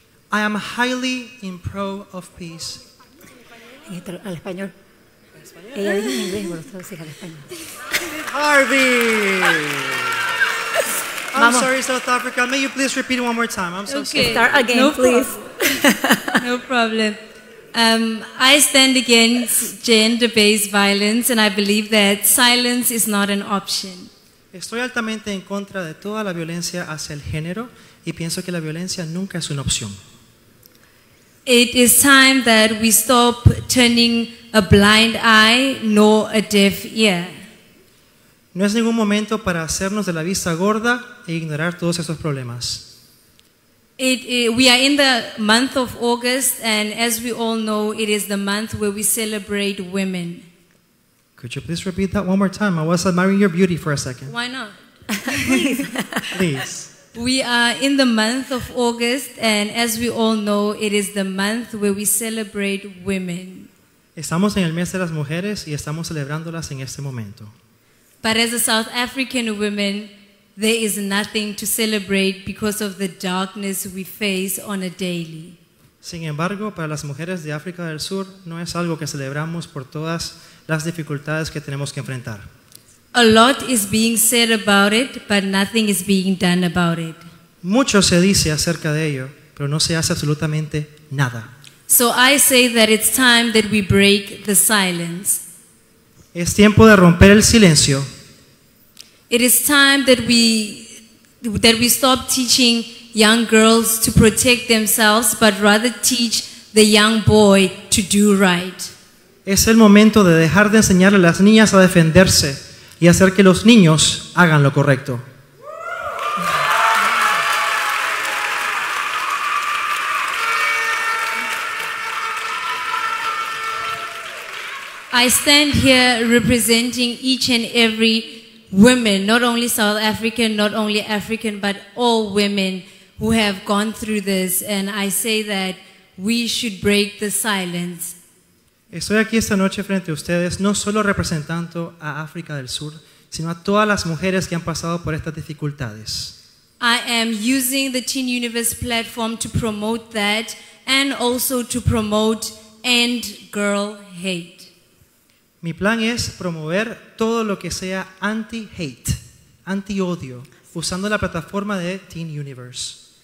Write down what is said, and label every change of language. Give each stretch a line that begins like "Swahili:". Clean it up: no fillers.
English: I am highly in pro of peace. Harvey! I'm sorry, South Africa. May you please repeat one more time? I'm so sorry. Start again, no please. No problem. I stand against gender-based violence and I believe that silence is not an option.
Spanish: Estoy altamente en contra de toda la violencia hacia el género y pienso que la violencia nunca es una opción.
English: It is time that we stop turning a blind eye nor a deaf ear.
Spanish: No es ningún momento para hacernos de la vista gorda e ignorar todos estos problemas.
English: We are in the month of August, and as we all know, it is the month where we celebrate women. Could you please repeat that one more time? I was admiring your beauty for a second. Why not? Please. Please. We are in the month of August, and as we all know, it is the month where we celebrate women.
Spanish: Estamos en el mes de las mujeres y estamos celebrándolas en este momento.
English: But as a South African woman, there is nothing to celebrate because of the darkness we face on a daily.
Spanish: Sin embargo, para las mujeres de África del Sur, no es algo que celebramos por todas las dificultades que tenemos que enfrentar.
English: A lot is being said about it, but nothing is being done about it.
Spanish: Mucho se dice acerca de ello, pero no se hace absolutamente nada.
English: So I say that it's time that we break the silence.
Spanish: Es tiempo de romper el silencio.
English: It is time that we stop teaching young girls to protect themselves, but rather teach the young boy to do right.
Spanish: Es el momento de dejar de enseñarle a las niñas a defenderse y hacer que los niños hagan lo correcto.
English: I stand here representing each and every woman, not only South African, not only African, but all women who have gone through this, and I say that we should break the silence.
Spanish: Estoy aquí esta noche frente a ustedes, no solo representando a África del Sur, sino a todas las mujeres que han pasado por estas dificultades.
English: I am using the Teen Universe platform to promote that and also to promote end girl hate.
Spanish: Mi plan es promover todo lo que sea anti-hate, anti-odio, usando la plataforma de Teen Universe.